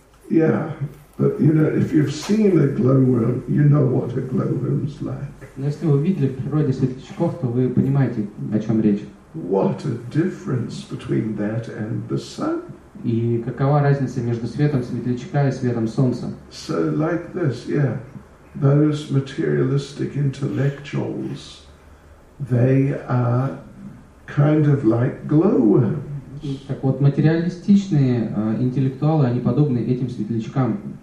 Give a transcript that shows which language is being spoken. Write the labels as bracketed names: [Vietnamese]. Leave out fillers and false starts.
[English] Yeah, but you know, if you've seen a glowworm, you know what a glowworm's like. [Russian] Но если вы видели в природе светлячков, то вы понимаете, о чем речь. [English] What a difference between that and the sun. [Russian] И какова разница между светом светлячка и светом солнца? [English] So like this, yeah, those materialistic intellectuals, they are kind of like glowworms. [Russian] Так вот, материалистичные интеллектуалы, они подобны этим светлячкам.